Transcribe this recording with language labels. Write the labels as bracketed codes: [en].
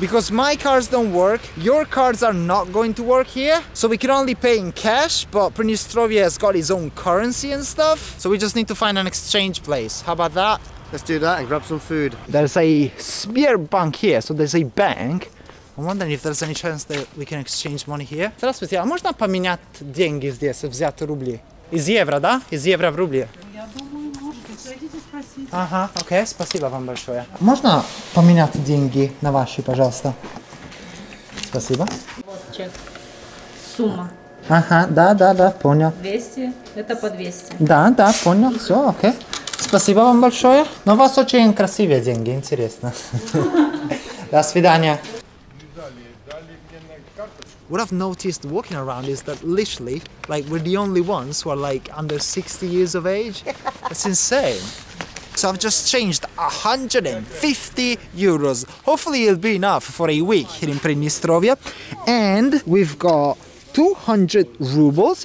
[en] Because my cards don't work, your cards are not going to work here, so we can only pay in cash, but Pridnistrovye has got its own currency and stuff, so we just need to find an exchange place. How about that? Let's do that and grab some food. There's a Sberbank here, so there's a bank. I'm wondering if there's any chance that we can exchange money here. [ru] Здравствуйте, а можно поменять деньги здесь, взять рубли? Из евро, да? Из евро в рубли? Я думаю, можете, зайдите спросить. Ага, окей, спасибо вам большое. Можно поменять деньги на ваши, пожалуйста? Спасибо. Вот чек. Сумма. Ага, да, да, да, понял. 200, это по 200. Да, да, понял, все, окей. Спасибо вам большое. Но у вас очень красивые деньги, интересно. До свидания. [en] What I've noticed walking around is that literally, like, we're the only ones who are like under 60 years of age. That's insane. So I've just changed 150 euros. Hopefully it'll be enough for a week here in Prinistrovia. And we've got 200 rubles.